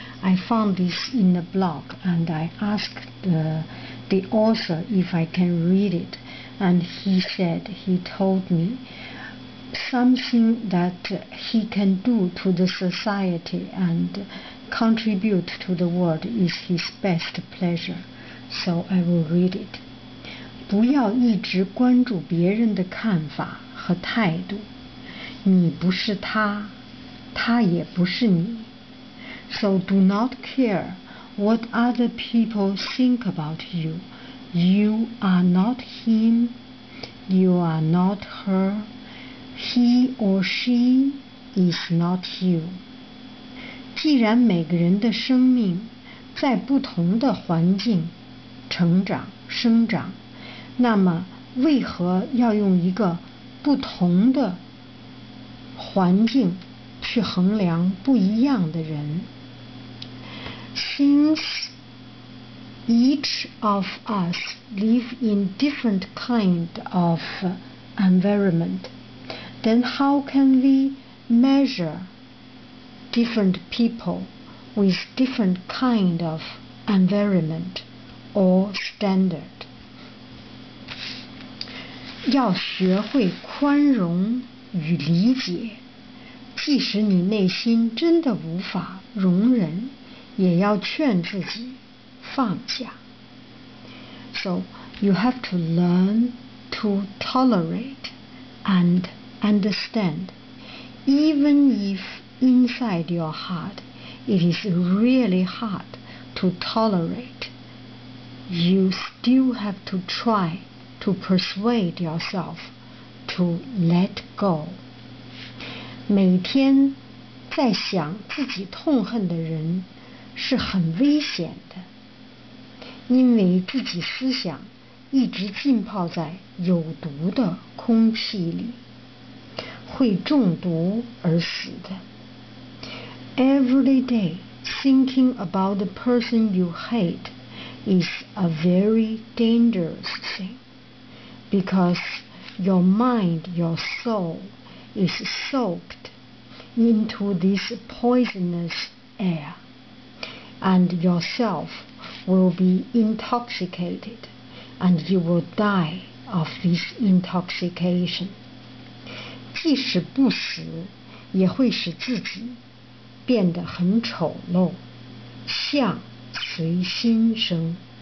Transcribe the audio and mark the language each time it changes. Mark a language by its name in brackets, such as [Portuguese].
[English] I found this in a blog, and I asked the author if I can read it, and he told me something that he can do to the society and contribute to the world is his best pleasure. So I will read it. [Chinese] 不要一直关注别人的看法和态度。你不是他，他也不是你。 [English] So do not care what other people think about you. You are not him. You are not her. He or she is not you. [Chinese] 既然每个人的生命在不同的环境成长生长，那么为何要用一个不同的环境去衡量不一样的人？ [English] Since each of us live in different kind of environment, then how can we measureDifferent people with different kind of environment or standard. [Chinese] 要学会宽容与理解，即使你内心真的无法容忍，也要劝自己放下。 [English] So you have to learn to tolerate and understand, even ifinside your heart, it is really hard to tolerate. You still have to try to persuade yourself to let go. [Chinese] 每天在想自己痛恨的人是很危险的，因为自己思想一直浸泡在有毒的空气里，会中毒而死的。 [English] Every day, thinking about the person you hate is a very dangerous thing, because your mind, your soul, is soaked into this poisonous air, and yourself will be intoxicated, and you will die of this intoxication. [Chinese] 即使不死，也会使自己变得很丑陋，相随心生。